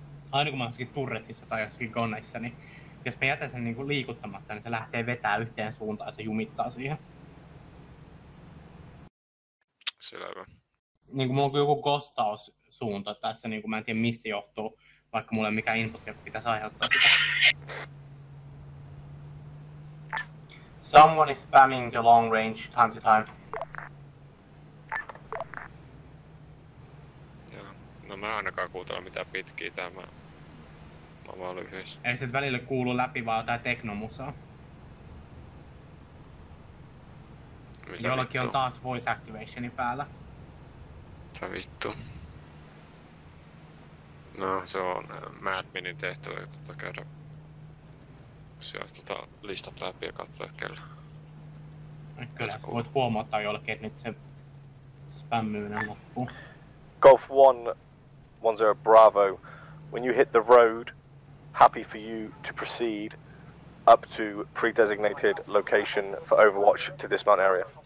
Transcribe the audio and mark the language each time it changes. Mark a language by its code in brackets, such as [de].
[fi] Aina kun mä oon turretissa tai jossakin koneissa, niin... Jos mä jätän sen niinku liikuttamatta, niin se lähtee vetää yhteen suuntaan ja se jumittaa siihen. Selvä. Niinku mulla on joku kostaus suunta tässä, niin kuin mä en tiedä mistä johtuu, vaikka mulla ei ole mikään input, joka pitäisi aiheuttaa sitä. [en] Someone is spamming the long range time to time. [fi] Joo. No mä en ainakaan kuuntele mitään pitkiä tää. Mä vaan lyhyessä. Ei sit välillä kuulu läpi vaan jotain teknomusaa. Mitä jollakin vittu? On taas voice activationi päällä. Mitä vittu? No se on Madminin tehtävä, että tota käydä sieltä tota listat läpi ja katsoa kelle. Kyllä sä voit huomauttaa jollekin, että nyt se spämmyyden loppuu. [en] Golf 1-10 Bravo. When you hit the road, happy for you to proceed up to pre-designated location for overwatch to dismount area.